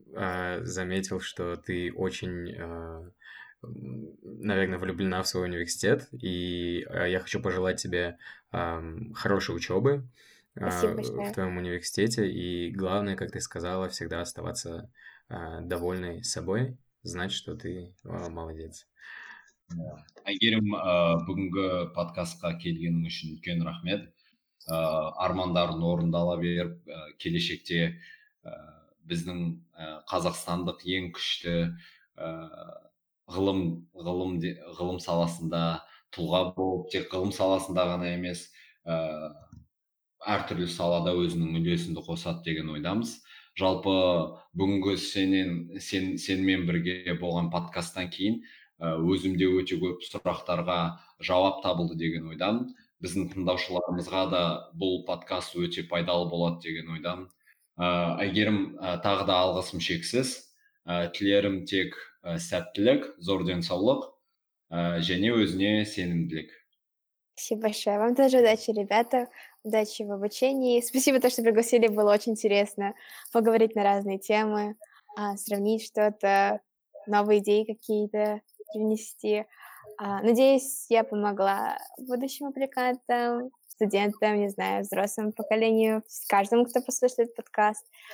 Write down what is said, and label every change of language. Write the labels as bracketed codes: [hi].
[ru] Я заметил, что ты очень, наверное, влюблена в свой университет, и я хочу пожелать тебе хорошей учебы в твоем университете, и главное, как ты сказала, всегда оставаться довольной собой, знать, что ты молодец. [kk] Айгерим, бүгінгі подкастқа келгенің үшін үлкен рахмет. Армандарын орындала беріп, келешекте біздің қазақстандық ең күшті ғылым саласында тұлға болып, тек ғылым саласында ғана емес, әртүрлі салада өзінің үлесінді қосады деген ойдамыз. Жалпы бүгінгі сенмен бірге болған подкасттан кейін өзімде өте көп сұрақтарға жауап табылды деген ойдамын. Біздің тыңдаушыларымызға да бұл подкаст өте пайдалы болады деген ойдамын. Айгерім, тағы да алғысым шексіз. Тілерім тек сәттілік, зор денсаулық, және өзіне сенімділік. [ru] Спасибо большое. Вам тоже удачи, ребята. Удачи в обучении. Спасибо, то, что пригласили. Было очень интересно поговорить на разные темы, сравнить что-то, новые идеи какие-то принести. Надеюсь, я помогла будущим аппликантам, студентам, не знаю, взрослому поколению, каждому, кто послушает подкаст.